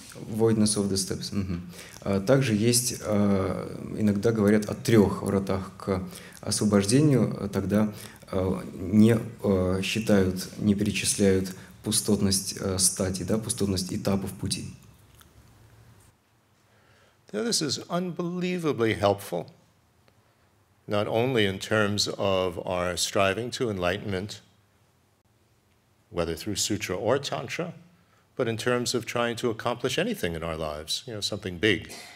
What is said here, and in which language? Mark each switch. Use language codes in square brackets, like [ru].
[en] Voidness of the steps. Mm-hmm. [ru] Также есть, иногда говорят о трех вратах к освобождению, тогда не перечисляют пустотность стадий, да, пустотность этапов пути. [en] Now this is unbelievably helpful, not only in terms of our striving to enlightenment, whether through sutra or tantra, but in terms of trying to accomplish anything in our lives, you know, something big.